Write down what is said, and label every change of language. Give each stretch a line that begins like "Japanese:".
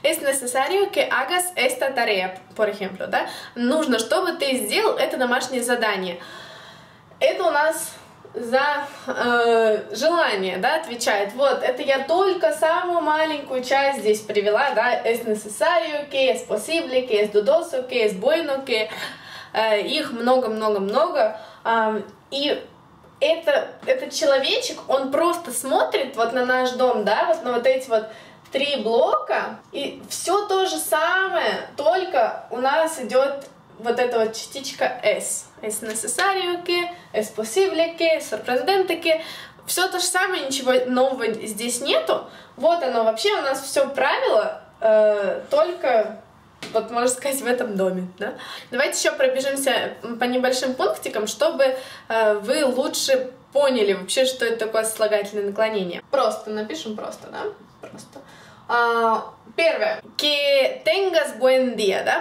Spanish: Es necesario que hagas esta tarea, por ejemplo,
Russian: да? Нужно, чтобы ты сделал это домашнее задание. Это у нас за желание, да, отвечает. Вот, это я только самую маленькую часть здесь привела, да.
Spanish: Es necesario que, es posible que, es dudoso que, es bueno que.
Russian: Их много-много-много. И этот человечек, он просто смотрит вот на наш дом, да, вот на вот эти вот три блока, и все то же самое, только у нас идет вот эта вот частичка S.
Spanish: Es necesario que, es posible que, es sorprendente que.
Russian: Все то же самое, ничего нового здесь нету. Вот оно вообще, у нас все правило, только, вот можно сказать, в этом доме, да? Давайте еще пробежимся по небольшим пунктикам, чтобы вы лучше поняли вообще, что это такое сослагательное наклонение. Просто, напишем просто, да? Просто. Первое.
Spanish: Que tengas buen día,
Russian: да?